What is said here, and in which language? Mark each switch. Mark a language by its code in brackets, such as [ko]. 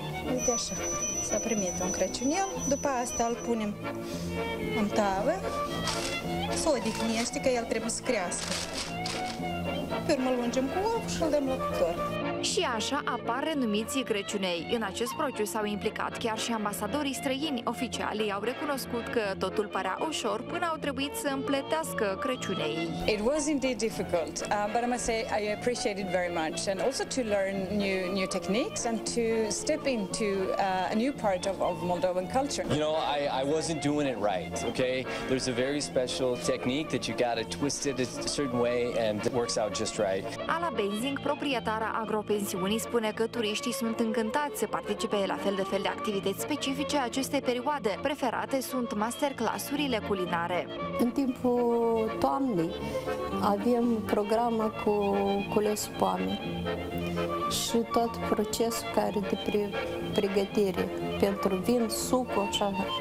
[ro] Uite așa, s-a primit un crăciunel, după asta îl punem în tavă, s-o odihnește că el trebuie să crească. Pe urmă lungem cu ou și îl dăm la cuptor. Și așa apar renumiții Crăciunei. În acest proces s-au implicat chiar și ambasadorii străini. Oficialii au recunoscut că totul părea ușor până au trebuit să împletească Crăciunei. [en] It was indeed difficult, but I must say I appreciated very much and also to learn new techniques and to step into a new part of Moldovan culture. You know, I wasn't doing it right, okay? There's a very special technique that you gotta twist it a certain way and it works out just right. [ro] Ala Benzing, proprietara agropensiunii, spune că turiștii sunt încântați să participe la fel de activități specifice acestei perioade. Preferate sunt masterclass-urile culinare. În timpul toamnei avem programă cu culesul poamnei și tot procesul care de pregătire pentru vin, sucul, așa.